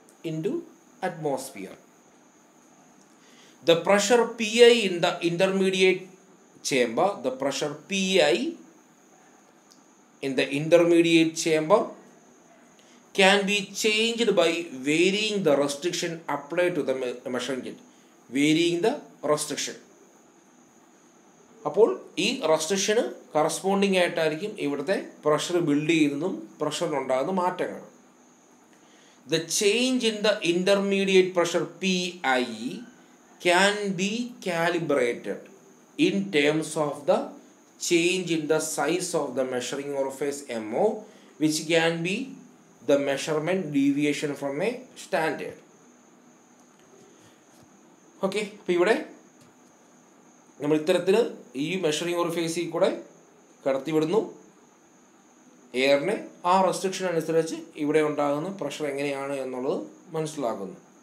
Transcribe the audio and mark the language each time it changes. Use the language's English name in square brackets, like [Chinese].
[English] Into atmosphere. The pressure PI in the intermediate chamber, the pressure PI in the intermediate chamber can be changed by varying the restriction applied to the measuring unit. Varying the restriction. [Malayalam] അപ്പോൾ ഈ റെസ്ട്രിക്ഷന് corresponding ആയിട്ടായിരിക്കും ഇവിടുത്തെ pressure build ചെയ്യുന്നതും പ്രഷറിലുണ്ടാകുന്ന മാറ്റങ്ങൾ. [English] The change in the intermediate pressure PI can be calibrated in terms of the change in the size of the measuring orifice MO, which can be the measurement deviation from a standard. [Malayalam] Okay, അപ്പോൾ ഇവിടെ നമ്മൾ ഇത്തരത്തിൽ ഈ measuring ഓർഫേസിൽ കൂടെ കടത്തിവിടുന്നു എയറിനെ. ആ restriction അനുസരിച്ച് ഇവിടെ ഉണ്ടാകുന്ന പ്രഷർ എങ്ങനെയാണ് എന്നുള്ളത് മനസ്സിലാക്കുന്നു.